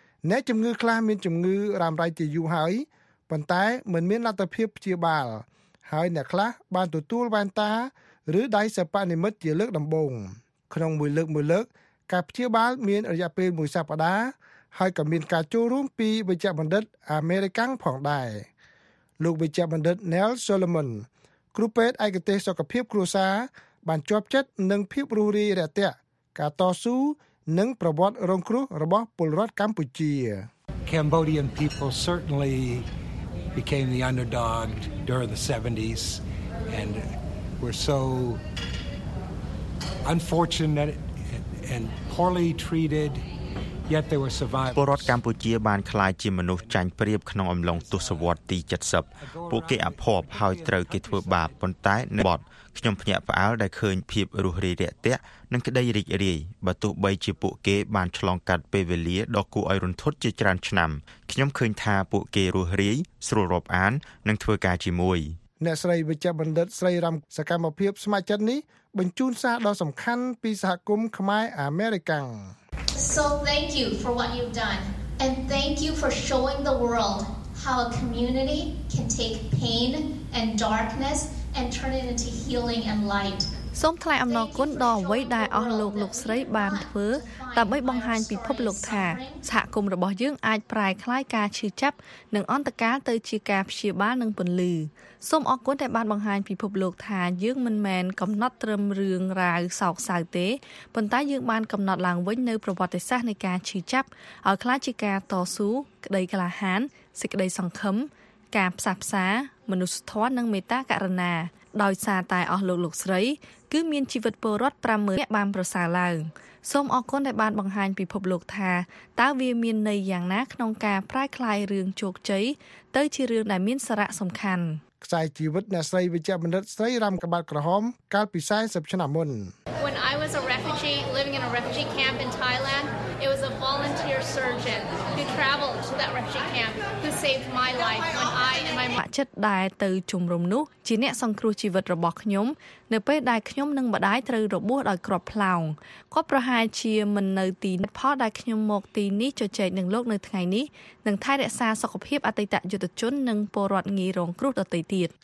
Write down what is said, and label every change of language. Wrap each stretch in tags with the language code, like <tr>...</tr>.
<km>អ្នកជំងឺខ្លះមានជំងឺរ៉ាំរ៉ៃជាយូរហើយប៉ុន្តែមិនមានលទ្ធភាពព្យាបាលហើយអ្នកខ្លះបានទទួលវ៉ែនតាឬដៃសិប្បនិម្មិតជាលើកដំបូងក្នុងមួយលើកមួយលើកការព្យាបាលមានរយៈពេលមួយសប្តាហ៍ហើយក៏មានការចូលរួមពីវេជ្ជបណ្ឌិតអាមេរិកាំងផងដែ រលោកវេជ្ជបណ្ឌិត Neil Solomon គ្រូពេទ្យឯកទេសសុខភាពគ្រួសារបានជាប់ចិត្តនឹងភាពរស់រាយរាក់ទាក់ការតស៊ូនិងប្រវត្តិរងគ្រោះរបស់ពលរដ្ឋកម្ពុជា</km> <en>Cambodian people certainly became the underdog during the 70s andWe're so unfortunate and poorly treated, yet they were survivors.</en> <km>ពលរដ្ឋកម្ពុជាបានក្លាយជាមនុស្សចាញ់ប្រៀបក្នុងអំឡុងទសវត្សរ៍ទី70ពួកគេអភ័ព្វហើយត្រូវគេធ្វើបាបប៉ុន្តែនៅបត់ខ្ញុំភ្ញាក់ផ្អើលដែលឃើញភាពរស់រាយរាក់ទាក់និងក្តីរីករាយបើទោះបីជាពួកគេបានឆ្លងកាត់ពេលវេលាដ៏គួរឲ្យរន្ធត់ជាច្រើនឆ្នាំខ្ញុំឃើញថាពួកគេរស់រាយស្រួលរាប់អាននិងធ្វើការជាមួយ អ្នកស្រីវិជ្ជាបណ្ឌិតស្រីរំសកម្មភាពស្ម័គ្រចិត្តនេះបញ្ជូនសារដ៏សំខាន់ពីសហគមន៍ខ្មែរអាមេរិកាំង</km> <en>So thank you for what you've done and thank you for showing the world how a community can take pain and darkness and turn it into healing and light</en> <km>សូមថ្លែងអំណរគុណដល់អ្វីដែលអស់លោកលោកស្រីបានធ្វើដើម្បីបង្ហាញពិភពលោកថាសហគមន៍របស់យើងអាចប្រែក្លាយការឈឺចាប់និងអន្តរការទៅជាការព្យាបាលនិងពន្លឺសូមអរគុណដែលបានបង្ហាញពិភពលោកថាយើងមិនមែនកំណត់ត្រឹមរឿងរ៉ាវសោកសៅទេប៉ុន្តែយើងបានកំណត់ឡើងវិញនូវប្រវត្តិសាស្ត្រនៃការឈឺចាប់ឲ្យក្លាយជាការតស៊ូក្តីក្លាហានសេចក្តីសង្ឃឹម ការផ្សះផ្សាមនុស្សធម៌និងមេត្តាករុណាដោយសារតែអស់លោកលោកស្រីគឺមានជីវិតពលរដ្ឋ50000អ្នកបានប្រសើរឡើងសូមអរគុណដែលបានបង្ហាញពិភពលោកថាតើវាមានន័យយ៉ាងណាក្នុងការប្រែក្លាយរឿងជោគជ័យទៅជារឿងដែលមានសារៈសំខាន់ខ្សែជីវិតអ្នកស្រីវិជ្ជាបណ្ឌិតស្រីរំកបាត់ក្រហមកាលពី40ឆ្នាំមុន</km> <en>When I was a refugee living in a refugee camp in Thailand it was a volunteer surgeon who traveled to that refugee camp who saved my life when I and my</en> <km>ចិត្តដែលទៅជំរំនោះជាអ្នកសង្គ្រោះជីវិតរបស់ខ្ញុំនៅពេលដែលខ្ញុំនឹងម្ដាយត្រូវរបួសដោយគ្រាប់ផ្លោងគាត់ប្រហែលជាមិននៅទីនេះផលដែលខ្ញុំមកទីនេះជជែកនឹងលោកនៅថ្ងៃនេះនឹងថែរក្សាសុខភាពអតីតយុទ្ធជននិងពលរដ្ឋងាយរងគ្រោះដទៃទៀត</km>